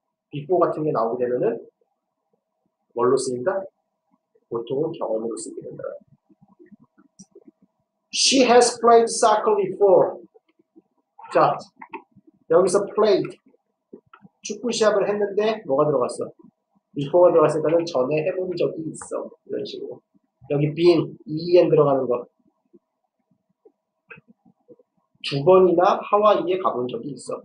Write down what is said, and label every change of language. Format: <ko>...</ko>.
<ko>before 같은 게 나오게 되면은 뭘로 쓰인다? 보통은 경험으로 쓰게 된다.</ko> <en>She has played soccer before.</en> <ko>자, 여기서 played. 축구 시합을 했는데 뭐가 들어갔어? before가 들어갔을 때는 전에 해본 적이 있어. 이런 식으로. 여기 been, en 들어가는 거. 두 번이나 하와이에 가본 적이 있어.</ko>